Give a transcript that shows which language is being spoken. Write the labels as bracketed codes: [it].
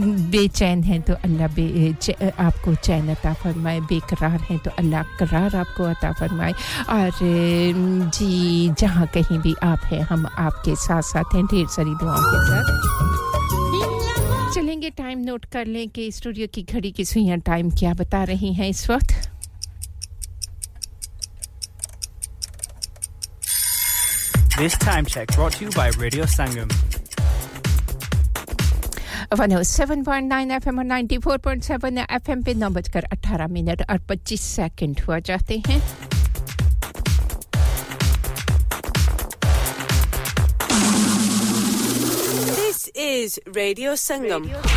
[hi] बेचैन हैं तो अल्लाह आपको चैन अता फरमाए बेकरार हैं तो अल्लाह करार आपको अता फरमाए और जी जहां कहीं भी आप हैं हम आपके साथ साथ हैं ढेर सारी दुआओं के साथ चलेंगे टाइम नोट कर लें कि स्टूडियो की घड़ी की सुइयां टाइम क्या बता रही हैं इस वक्त [en] This time check brought to you by Radio Sangam [hi] 107.9 FM और 94.7 FM पे 9:18:25 हुआ जाते हैं [en] Is Radio Sangam.